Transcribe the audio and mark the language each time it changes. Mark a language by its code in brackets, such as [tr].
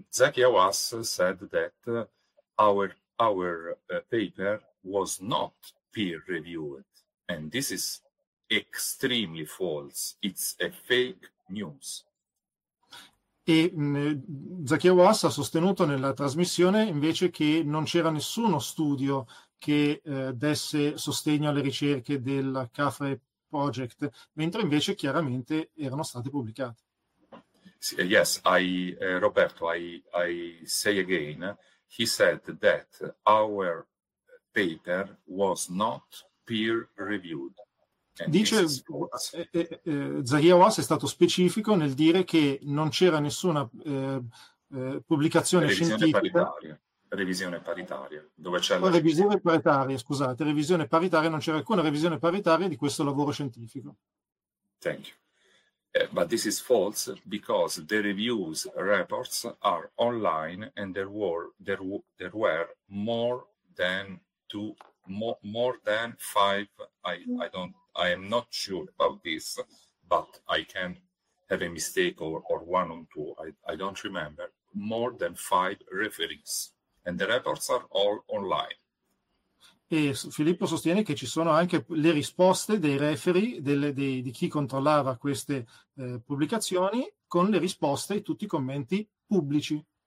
[en] Zaki Awas said that our paper was not peer reviewed, and this is extremely false. It's a fake news. [it] E Zaki Awas ha sostenuto nella trasmissione invece che non c'era nessuno studio che desse sostegno alle ricerche del CAFRE Project, mentre invece chiaramente erano state pubblicate. [en] Yes, Roberto, I say again, he said that our paper was not peer reviewed, and this is false. [it] Zaki Awas è stato specifico nel dire che non c'era nessuna pubblicazione scientifica o Revisione paritaria, dove c'è la ricerca. revisione paritaria, scusate, revisione paritaria, non c'era alcuna revisione paritaria di questo lavoro scientifico. [en] Thank you. But this is false because the reviews reports are online and there were more than five. I am not sure about this, but I can have a mistake or one on two. I don't remember. More than five referees and the reports are all online. [it] E Filippo sostiene che ci sono anche le risposte dei referee, di chi controllava queste pubblicazioni, con le risposte e tutti i commenti pubblici.